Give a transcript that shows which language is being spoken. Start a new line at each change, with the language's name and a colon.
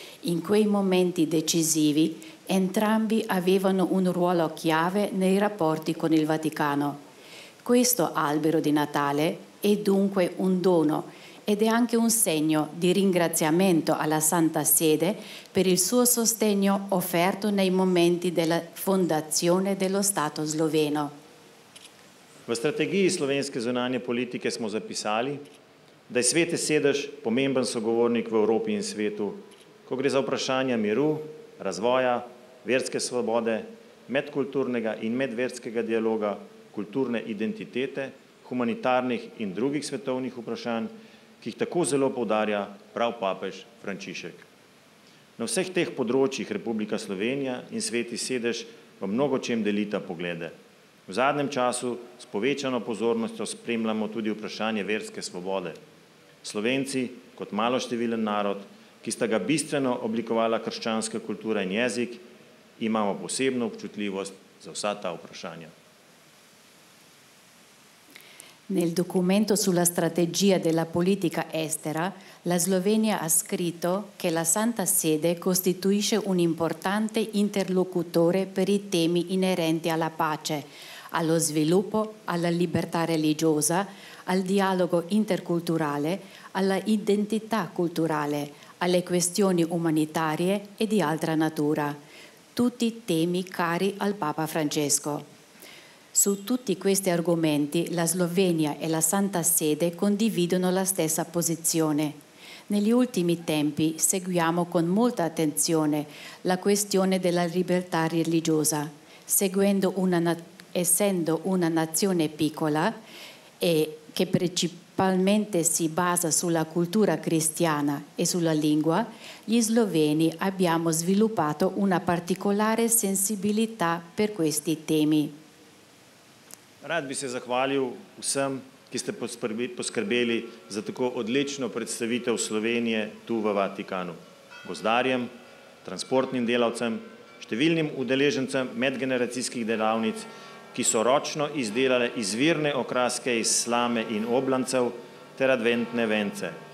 Italian: In quei momenti decisivi, entrambi avevano un ruolo chiave nei rapporti con il Vaticano. Questo albero di Natale è dunque un dono ed è anche un segno di ringraziamento alla Santa Sede per il suo sostegno offerto nei momenti della fondazione dello Stato sloveno.
Slovenian: V strategiji slovenske zunanje politike smo zapisali, da je Sveti sedež pomemben sogovornik v Evropi in svetu, ko gre za vprašanja miru, razvoja, verske svobode, medkulturnega in medverskega dialoga, kulturne identitete, humanitarnih in drugih svetovnih vprašanj, ki jih tako zelo poudarja prav papež Frančišek. Na vseh teh področjih Republika Slovenija in Sveti sedež v mnogočem delita poglede. V zadnjem času s povečano pozornostjo spremljamo tudi vprašanje verske svobode. Slovenci, kot maloštevilen narod, ki sta ga bistveno oblikovala krščanska kultura in jezik, imamo posebno občutljivost za vsa ta vprašanja.
Italian: Nel documento sulla strategia della politica estera, la Slovenia ha scritto che la Santa Sede costituisce un importante interlocutore per i temi inerenti alla pace, allo sviluppo, alla libertà religiosa, al dialogo interculturale, alla identità culturale, alle questioni umanitarie e di altra natura, tutti temi cari al Papa Francesco. Su tutti questi argomenti la Slovenia e la Santa Sede condividono la stessa posizione. Negli ultimi tempi seguiamo con molta attenzione la questione della libertà religiosa, essendo una nazione piccola e che principalmente si basa sulla cultura cristiana e sulla lingua, gli sloveni abbiamo sviluppato una particolare sensibilità per questi temi.
Slovenian: Rad bi se zahvalil vsem, ki ste poskrbeli za tako odlično predstavitev Slovenije tu v Vatikanu. Gozdarjem, transportnim delavcem, številnim udeležencem medgeneracijskih delavnic, ki so ročno izdelale izvirne okraske iz slame in oblancev ter adventne vence.